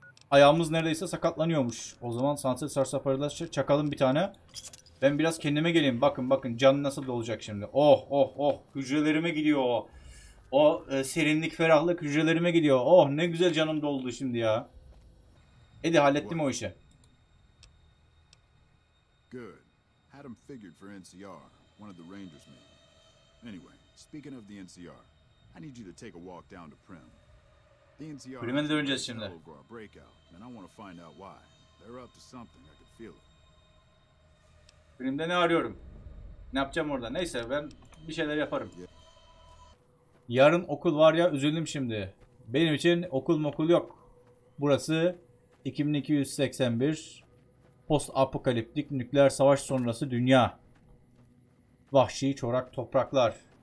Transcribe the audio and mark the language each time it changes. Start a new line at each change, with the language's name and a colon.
Turkish: Ayağımız neredeyse sakatlanıyormuş. O zaman sanser sarsa parayla çakalım bir tane. Ben biraz kendime geleyim. Bakın bakın, canı nasıl dolacak şimdi. Oh, hücrelerime gidiyor o. O serinlik, ferahlık hücrelerime gidiyor. Oh, ne güzel canım doldu şimdi ya. Hadi hallettim o işi.
English: Good. Had him figured for NCR, one of the Rangers maybe. Anyway, speaking of the NCR, I need you to take a walk down to Prim. The NCR
Turkish: Prim'e de döneceğiz şimdi.
English: Breakout, and I want to find out why. They're up to something, I can feel it.
Turkish: Prim'de ne arıyorum? Ne yapacağım orada? Neyse, ben bir şeyler yaparım. Yeah. Yarın okul var ya, üzüldüm şimdi. Benim için okul mokul yok. Burası 2281. Post apokaliptik nükleer savaş sonrası dünya. Vahşi çorak topraklar.